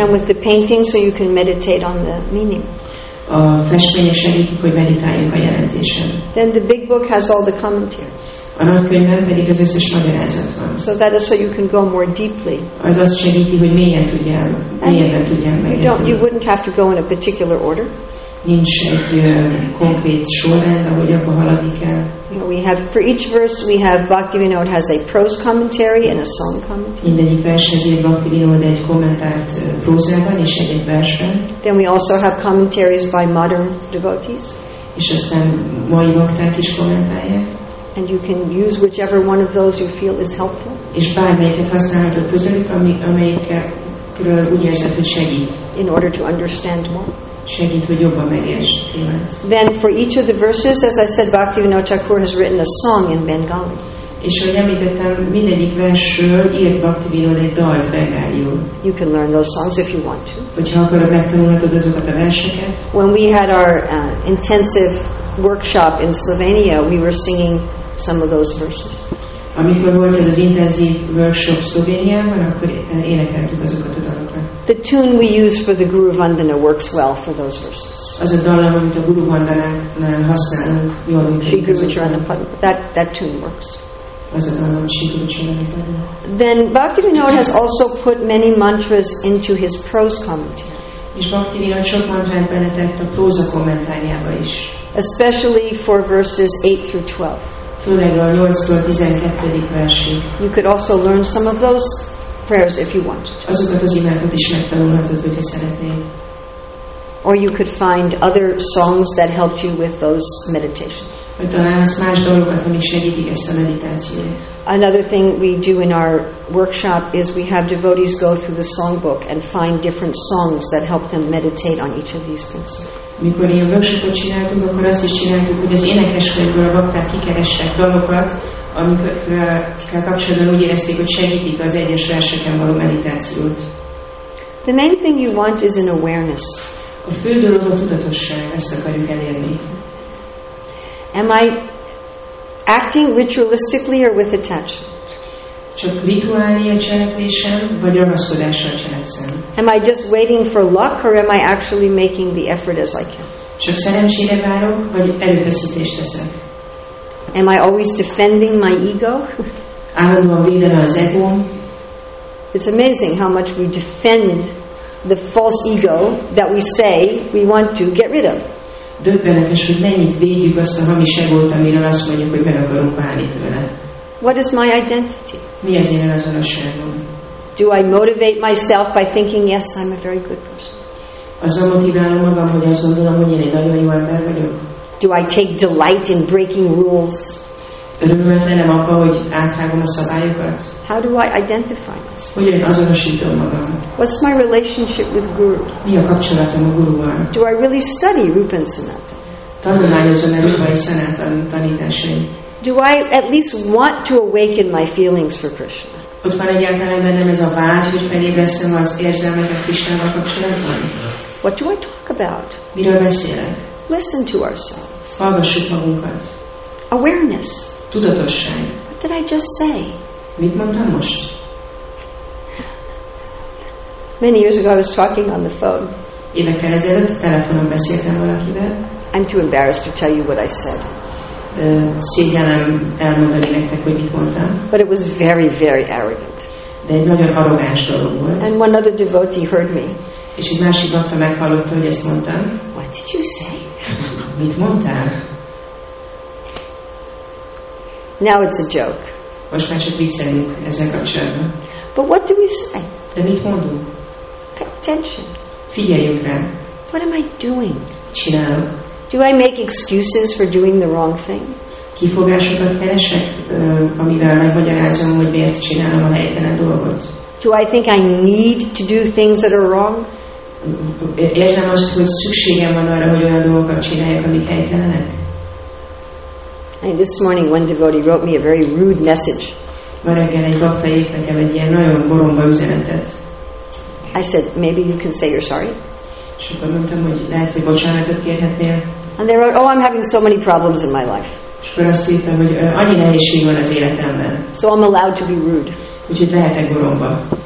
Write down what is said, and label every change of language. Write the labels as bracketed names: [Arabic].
[English] And with the painting, so you can meditate on the meaning. [Hungarian] a festmények segítik, hogy meditáljunk a jelentésen. [English] Then the big book has all the commentary. [Hungarian] A nagy könyvben pedig az összes magyarázat van. [English] So that is so you can go more deeply. [Hungarian] Az azt segíti, hogy mélyebben tudjam megérteni. [English] You wouldn't have to go in a particular order. [Hungarian] Nincs egy konkrét sorrend, ahogy abba haladni kell. [English] We have for each verse we have Bhaktivinoda has a prose commentary and a song commentary. [Hungarian] Mindegyik versenyzőjé Bhaktivinoda egy kommentárt prózában és egy versben. [English] Then we also have commentaries by modern devotees. [Hungarian] És aztán mai bakták is kommentálják. [English] And you can use whichever one of those you feel is helpful. [Hungarian] És bármelyiket használhatod közülük, amelyikről úgy érzed, hogy segít. [English] In order to understand more. [Hungarian] Segít, hogy jobban megértsd. [English] Then for each of the verses, as I said, Bhaktivinoda Thakur has written a song in Bengali. [Hungarian] És ahogy említettem, mindegyik versről írt Bhaktivinoda egy dalt bengáliul. [English] You can learn those songs if you want to. [Hungarian] Hogyha akarod, megtanulhatod azokat a verseket. [English] When we had our intensive workshop in Slovenia, we were singing some of those verses. [Hungarian] Amikor volt ez az intenzív workshop Szlovéniában, akkor énekeltük azokat a dalokat. [English] The tune we use for the Guru Vandana works well for those verses. [Hungarian] Az a dal, amit a Guru Vandanánál használunk, jól működik. [English] That tune works. [Hungarian] Az a dal, amit Sri Guru Charanapadma. [English] Then Bhaktivinoda has also put many mantras into his prose commentary. [Hungarian] És Bhaktivinoda sok mantrát beletett a próza kommentárjába is. [English] Especially for verses 8 through 12. [Hungarian] Főleg a 8-tól 12. versig. [English] You could also learn some of those prayers if you want. [Hungarian] Azokat az imákat is megtanulhatod, hogyha szeretnéd. [English] Or you could find other songs that helped you with those meditations. [Hungarian] Vagy találsz más dolgokat, amik segítik ezt a meditációt. [English] Another thing we do in our workshop is we have devotees go through the songbook and find different songs that help them meditate on each of these principles. [Hungarian] Mikor ilyen workshopot csináltunk, akkor azt is csináltuk, hogy az énekeskönyvből a bakták kikerestek dalokat, amikkel kapcsolatban úgy érezték, hogy segítik az egyes verseken való meditációt. [English] The main thing you want is an awareness. [Hungarian] A fő dolog a tudatosság, ezt akarjuk elérni. [English] Am I acting ritualistically or with attachment? [Hungarian] Csak rituálni a cselekvésem, vagy ragaszkodással cselekszem? [English] Am I just waiting for luck, or am I actually making the effort as I can? [Hungarian] Csak szerencsére várok, vagy erőfeszítést teszek? [English] Am I always defending my ego? [Hungarian] Állandóan védem az egóm? [English] It's amazing how much we defend the false ego that we say we want to get rid of. [Hungarian] Döbbenetes, hogy mennyit védjük azt a hamis egót, amiről azt mondjuk, hogy meg akarunk válni tőle. [English] What is my identity? [Hungarian] Mi az én azonosságom? [English] Do I motivate myself by thinking, yes, I'm a very good person? [Hungarian] Azzal motiválom magam, hogy azt gondolom, hogy én egy nagyon jó ember vagyok. [English] Do I take delight in breaking rules? [Hungarian] Örömmel lennem abba, hogy áthágom a szabályokat. [English] How do I identify myself? [Hungarian] Hogyan azonosítom magam? [English] What's my relationship with Guru? [Hungarian] Mi a kapcsolatom a Guruval? [English] Do I really study Rupa and Sanatan? [Hungarian] Tanulmányozom-e Rupa és Sanatan tanításait? [English] Do I at least want to awaken my feelings for Krishna? [Hungarian] Ott van egyáltalán bennem ez a vágy, hogy felébresszem az érzelmeket Krishnával kapcsolatban? [English] What do I talk about? [Hungarian] Miről beszélek? [English] Listen to ourselves. [Hungarian] Hallgassuk magunkat. [English] Awareness. [Hungarian] Tudatosság. [English] What did I just say? [Hungarian] Mit mondtam most? [English] Many years ago I was talking on the phone. [Hungarian] Évekkel ezelőtt telefonon beszéltem valakivel. [English] I'm too embarrassed to tell you what I said. [Hungarian] Szégyellem elmondani nektek, hogy mit mondtam. [English] But it was very, very arrogant. [Hungarian] De egy nagyon arrogáns dolog volt. [English] And one other devotee heard me. [Hungarian] És egy másik bakta meghallotta, hogy ezt mondtam. [English] What did you say? [Hungarian] Mit mondtál? [English] Now it's a joke. [Hungarian] Most már csak viccelünk ezzel kapcsolatban. [English] But what do we say? [Hungarian] De mit mondunk? [English] Pay attention. [Hungarian] Figyeljünk rá. [English] What am I doing? [Hungarian] Csinálok. [English] Do I make excuses for doing the wrong thing? [Hungarian] Kifogásokat keresek, amivel megmagyarázom, hogy miért csinálom a helytelen dolgot. [English] Do I think I need to do things that are wrong? [Hungarian] Érzem azt, hogy szükségem van arra, hogy olyan dolgokat csináljak, amik helytelenek. [English] And this morning one devotee wrote me a very rude message. [Hungarian] Ma reggel egy bakta írt nekem egy ilyen nagyon goromba üzenetet. [English] I said, maybe you can say you're sorry. [Hungarian] És akkor mondtam, hogy lehet, hogy bocsánatot kérhetnél. [English] And they wrote, oh, I'm having so many problems in my life. [Hungarian] És akkor azt írtam, hogy annyi nehézség van az életemben. [English] So I'm allowed to be rude. [Hungarian] Úgyhogy lehetek goromba.